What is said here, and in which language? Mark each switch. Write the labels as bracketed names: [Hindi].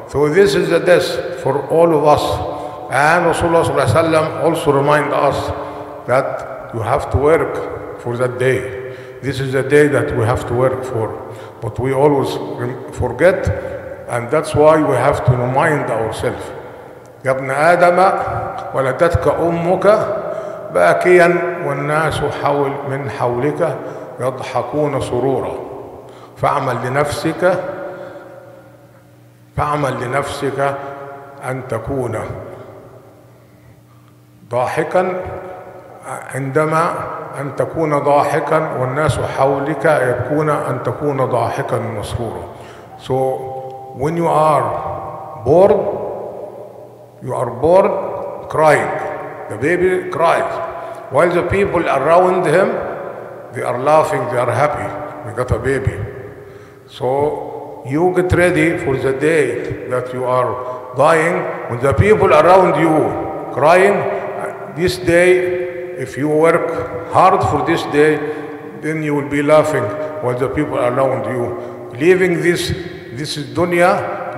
[English] So this is the death for all of us. And Rasulullah sallallahu alayhi wa sallam also remind us that you have to work for that day. This is the day that we have to work for. But we always forget, and that's why we have to remind ourselves. [Arabic] يا ابن آدم ولدتك أمك باكيا والناس حول من حولك يضحكون سرورا فاعمل لنفسك ان تكون ضاحكا عندما ان تكون ضاحكا والناس حولك يبكون ان تكون ضاحكا مسرورا. [English] So when you are bored, you are bored crying, the baby cries. While the people around him, they are laughing, they are happy. We got a baby. So you get ready for the day that you are dying, when the people around you crying, this day, if you work hard for this day, then you will be laughing when the people around you leaving this dunya.